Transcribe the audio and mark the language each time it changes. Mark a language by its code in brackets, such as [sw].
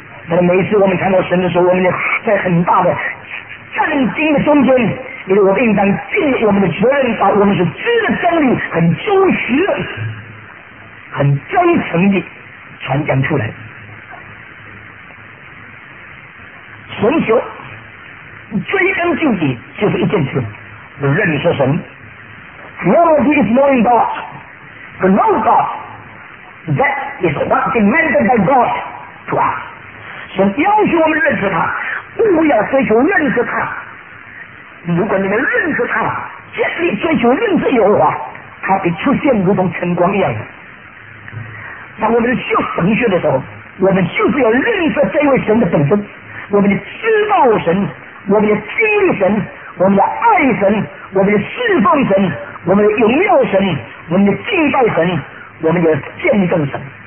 [zh] 但是每次我们谈到神的时候，我们在很大的震惊的中间，因为我们应当尽我们的责任，把我们所知的真理很忠实很真诚地传讲出来。神求追根究底就是一件事，认识神。 [en] Knowledge is knowing God. To know God, that is what demanded by God to us. [zh] 神要求我们认识他，不要追求认识他。如果你们认识他，竭力追求认识耶和华，他必出现如同晨光一样。当我们修神学的时候，我们就是要认识这位神的本身，我们知道神，我们经历神，我们的爱神，我们的侍奉神，我们的荣耀神，我们的敬拜神，我们的见证神。